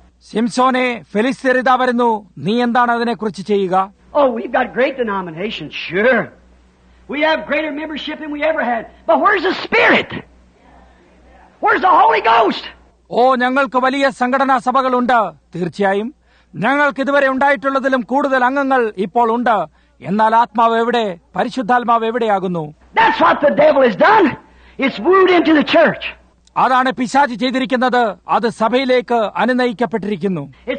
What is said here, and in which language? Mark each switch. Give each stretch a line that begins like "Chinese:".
Malayalam: സിംസോനെ, ഫിലിസ്തീനർ വരുന്നു, നീ എന്താണ് അതിനെക്കുറിച്ച് ചെയ്യുക?
English: Oh, we've got great denominations, sure. We have greater membership than we ever had. But where's the Spirit? Where's the Holy Ghost?
Malayalam: Oh, ഞങ്ങൾക്ക് വലിയ സംഘടനാ സഭകൾ ഉണ്ട്, തീർച്ചയായും. ഞങ്ങൾക്ക് ഇതുവരെ ഉണ്ടായിട്ടുള്ളതിലും കൂടുതൽ അംഗങ്ങൾ ഇപ്പോൾ ഉണ്ട്. എന്നാൽ ആത്മാവ് എവിടെ? പരിശുദ്ധാത്മാവ് എവിടെയാകുന്നു?
English: That's what the devil has done. It's wooed into the church.
Malayalam: അതാണ് പിശാച് ചെയ്തിരിക്കുന്നത്. അത് സഭയിലേക്ക് അനുനയിക്കപ്പെട്ടിരിക്കുന്നു.